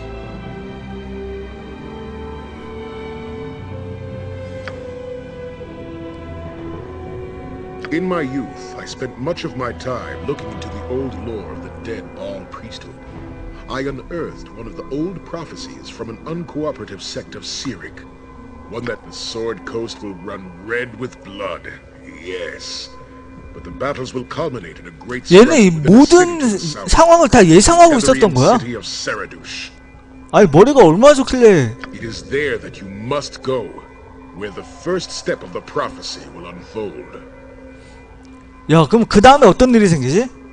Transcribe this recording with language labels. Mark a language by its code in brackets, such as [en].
[en] 네. In my youth, I spent much of my time looking into the old lore of the dead Baal priesthood. I unearthed one of the old prophecies from an uncooperative sect of Sirik. One that the Sword Coast will run red with blood. Yes. But the battles will culminate in a great struggle. [ko] 얘는 이 모든 상황을 다 예상하고 있었던 거야? 아니 머리가 얼마나 좋길래. [en] It is there that you must go, where the first step of the prophecy will unfold. [ko] 야, 그럼 그다음에 어떤 일이 생기지?